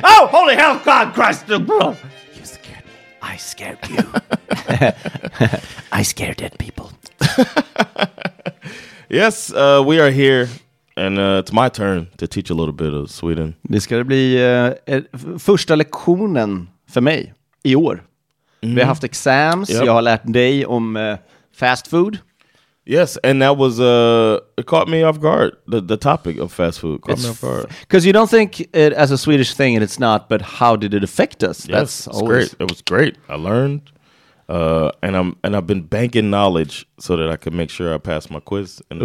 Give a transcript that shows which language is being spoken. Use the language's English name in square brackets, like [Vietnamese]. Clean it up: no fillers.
[English] Holy hell, God, Christ, you scared me. I scared you. I scare dead people. Yes, we are here, and it's my turn to teach a little bit of Sweden. [Swedish] Det ska bli första lektionen för mig i år. Mm. Vi har haft exams, yep. Jag har lärt dig om fast food. [English] Yes, and that was it caught me off guard. The topic of fast food caught me off guard. Because you don't think it as a Swedish thing, and it's not. But how did it affect us? Yes, that's always great. It was great. I learned, and I've been banking knowledge so that I could make sure I pass my quiz in the